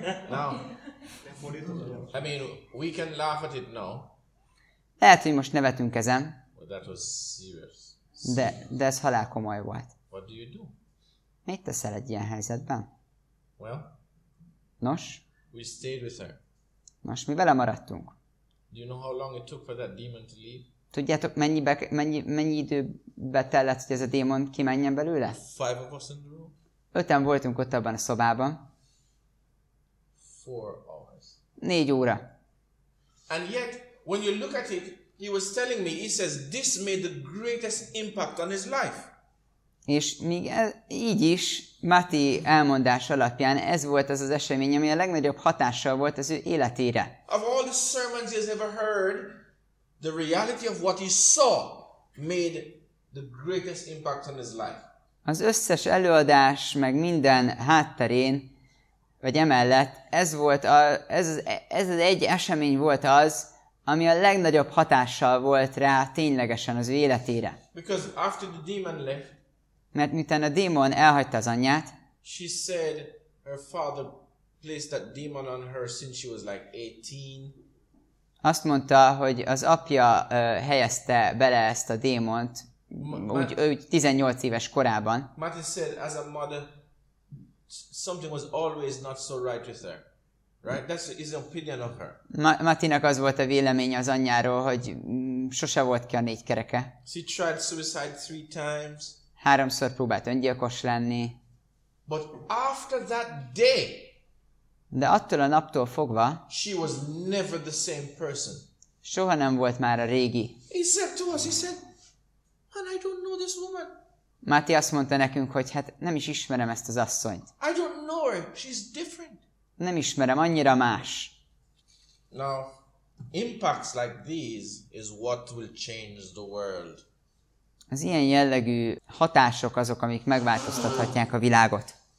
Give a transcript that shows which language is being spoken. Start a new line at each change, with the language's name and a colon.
English: Now, I mean, we can laugh at it now.
Hungarian: Lehet, hogy most nevetünk ezen.
English: But that was serious.
Hungarian: De ez halál komoly volt.
English: What do you do?
Hungarian: Mit teszel egy ilyen helyzetben?
English: Well,
Hungarian: nos?
English: We stayed with her.
Hungarian: Nos, mi vele maradtunk.
English: Do you know how long it took for that demon to leave?
Hungarian: Tudjátok, mennyi időbe tellett, hogy ez a démon kimenjen belőle?
English: Five of us in the room.
Hungarian: Öten voltunk ott abban a szobában.
English: Four hours.
Hungarian: 4 óra.
English: And yet, when you look at it, he was telling me, he says, this made the greatest impact on his life.
Hungarian: És még így is, Matti elmondás alapján ez volt az az esemény, ami a legnagyobb hatással volt az ő életére.
English: Of all the sermons he has ever heard, the reality of what he saw made the greatest impact on his life.
Hungarian: Az összes előadás, meg minden hátterén, vagy emellett, ez az egy esemény volt az, ami a legnagyobb hatással volt rá ténylegesen az ő életére.
English: Because after the demon left,
Hungarian: mert miután a démon elhagyta az anyját,
English: she said her father placed that demon on her since she was like 18.
Hungarian: Azt mondta, hogy az apja helyezte bele ezt a démont, úgy 18 éves korában.
English: Matthew said, as a mother, something was always not so right with her. Right? That's his opinion of her.
Hungarian: Matinak az volt a véleménye az anyjáról, hogy sose volt ki a négy kereke.
English: She tried suicide 3 times.
Hungarian: 3-szor próbált öngyilkos lenni.
English: But after that day,
Hungarian: de attól a naptól fogva,
English: she was never the same person.
Hungarian: Soha nem volt már a régi.
English: He said to us, he said, and I don't know this woman.
Hungarian: Máté azt mondta nekünk, hogy hát nem is ismerem ezt az asszonyt.
English: I don't know her. She's different.
Hungarian: Nem ismerem, annyira más.
English: Now, impacts like these is what will change the world.
Hungarian: Az ilyen jellegű hatások azok, amik megváltoztathatják a világot.